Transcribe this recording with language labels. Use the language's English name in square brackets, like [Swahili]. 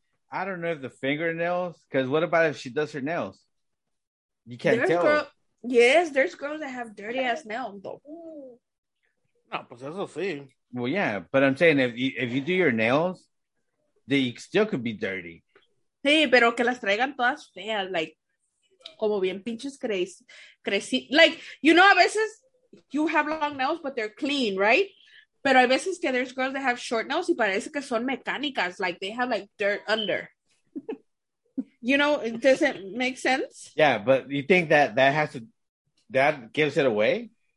[English] I don't know if the fingernails, because what about if she does her nails? You can't tell. There's girls that have dirty ass nails, though. [Spanish] No, pues eso sí. [English] Well, yeah, but I'm saying if you do your nails, they still could be dirty. [Spanish] Sí, pero que las traigan todas feas, like, como bien pinches crecí. [English] Like, you know, [Spanish] a veces [English] you have long nails, but they're clean, right? [Spanish] Pero a veces que [English] there's girls that have short nails [Spanish] y parece que son mecánicas, [English] like, they have, like, dirt under. You know, does it make sense? Yeah, but you think that gives it away?